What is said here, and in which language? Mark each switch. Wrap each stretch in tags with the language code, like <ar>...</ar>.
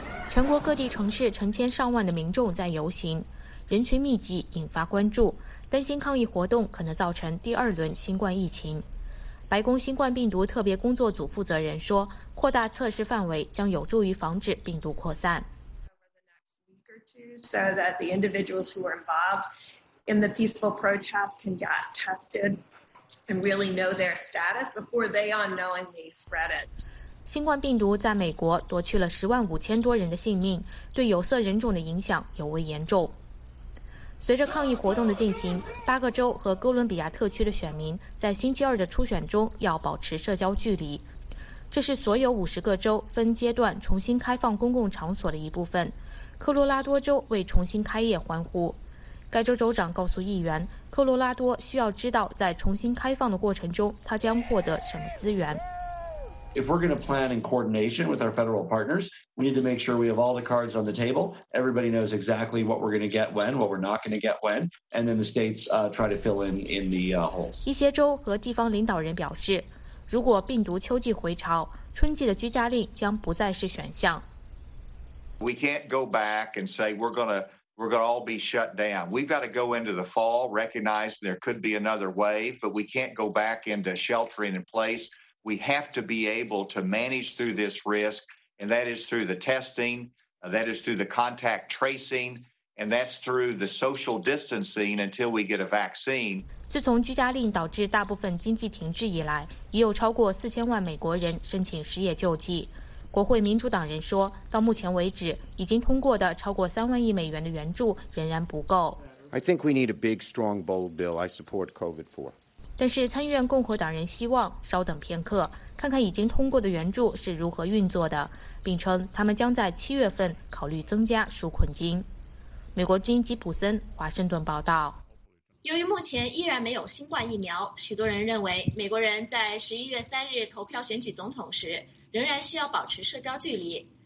<zh>全国各地城市成千上万的民众在游行，人群密集引发关注，担心抗疫活动可能造成第二轮新冠疫情。白宫新冠病毒特别工作组负责人说，扩大测试范围将有助于防止病毒扩散。</zh> <en>So that the individuals who are involved in the peaceful protests can get tested and really know their status before they unknowingly spread it.</en> <zh>新冠病毒在美国夺去了105,000多人的性命，对有色人种的影响尤为严重。随着抗议活动的进行，八个州和哥伦比亚特区的选民在星期二的初选中要保持社交距离。这是所有50个州分阶段重新开放公共场所的一部分。科罗拉多州为重新开业欢呼。该州州长告诉议员，科罗拉多需要知道在重新开放的过程中他将获得什么资源。</zh> <en>If we're going to plan in coordination with our federal partners, we need to make sure we have all the cards on the table. Everybody knows exactly what we're going to get when, what we're not going to get when, and then the states try to fill in the holes.</en> <zh>一些州和地方领导人表示，如果病毒秋季回潮，春季的居家令将不再是选项。</zh> <en>We can't go back and say we're going to all be shut down. We've got to go into the fall, recognize there could be another wave, but we can't go back into sheltering in place. We have to be able to manage through this risk, and that is through the testing, that is through the contact tracing, and that's through the social distancing until we get a vaccine.</en> <zh>自从居家令导致大部分经济停滞以来，已有超过4000万美国人申请失业救济。国会民主党人说，到目前为止，已经通过的超过3万亿美元的援助仍然不够。</zh> <en>I think we need a big, strong, bold bill. I support COVID for.</en> <zh>但是参议院共和党人希望稍等片刻，看看已经通过的援助是如何运作的，并称他们将在7月份考虑增加纾困金。美国之音吉普森华盛顿报道。由于目前依然没有新冠疫苗，许多人认为美国人在11月3日投票选举总统时仍然需要保持社交距离。</zh>